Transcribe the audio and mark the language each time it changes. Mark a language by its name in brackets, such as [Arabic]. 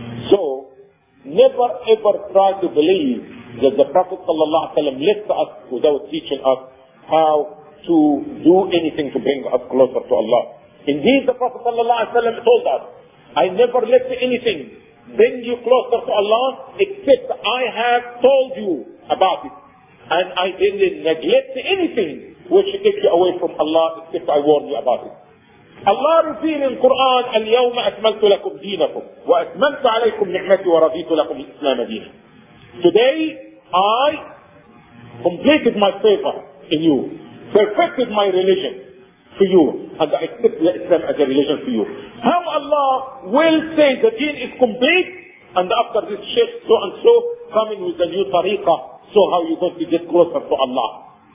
[English] So, never ever try to believe that the Prophet sallallahu alaihi wasallam left us without teaching us how to do anything to bring us closer to Allah. Indeed, the Prophet sallallahu alaihi wasallam told us, I never left anything bring you closer to Allah except I have told you about it. And I didn't neglect anything which takes you away from Allah except I warned you about it. Allah revealed in Quran, [Arabic] اليوم أكملت لكم دينكم وأكملت عليكم نعمتي ورضيت لكم الإسلام دينا. [English] Today I completed my favor in you, perfected my religion for you, and I accept the Islam as a religion for you. How Allah will say the deen is complete, and after this shaykh so and so coming with a new tariqah, so how you going to get closer to Allah?